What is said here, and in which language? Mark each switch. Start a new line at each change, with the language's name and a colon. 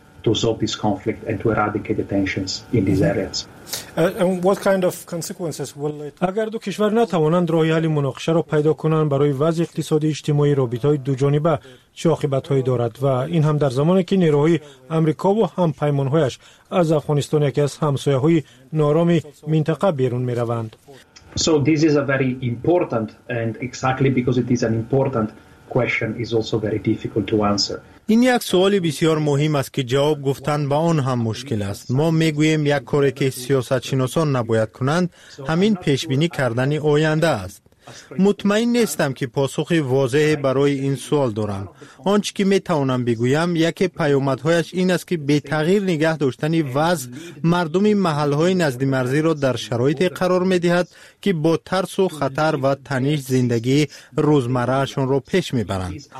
English: To solve this conflict and to eradicate the tensions in these areas. And what kind of consequences will it?
Persian: اگر دو کشور نتوانند راه حل مناقشه را پیدا کنند، برای وضع اقتصادی اجتماعی رابطه های دو جانبه چه عاقبت هایی دارد؟ و این هم در زمانی که نیروهای آمریکا و هم پیمان هایش از افغانستان، یکی از همسایه های نارام منطقه، بیرون می روند.
English: So this is a very important and exactly because it is an important question is also very difficult to answer.
Persian: این یک سوال بسیار مهم است که جواب گفتن با آن هم مشکل است. ما میگوییم یک کاری که سیاست شناسان نباید کنند همین پیشبینی کردن آینده است. مطمئن نیستم که پاسخ واضح برای این سوال دارم. آنچه که میتوانم بگویم، یک پیامدهایش این است که به تغییر نگه داشتن وضع مردم محلهای نزد مرزی را در شرایط قرار میدهد که با ترس و خطر و تنش زندگی روزمرهشون را پیش میبرند.